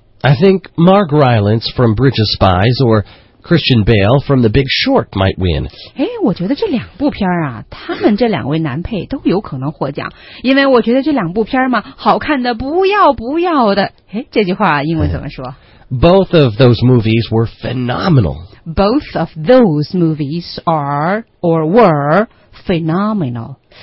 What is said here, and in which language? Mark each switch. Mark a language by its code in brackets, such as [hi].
[en] I think Mark Rylance from Bridge of Spies or Christian Bale from The Big Short might win. [zh] 哎，我觉得这两部片啊，他们这两位男配都有可能获奖，因为我觉得这两部片嘛，好看的不要不要的。哎，这句话英文怎么说？ [en] Both of those movies were phenomenal. Both of those movies are or were phenomenal.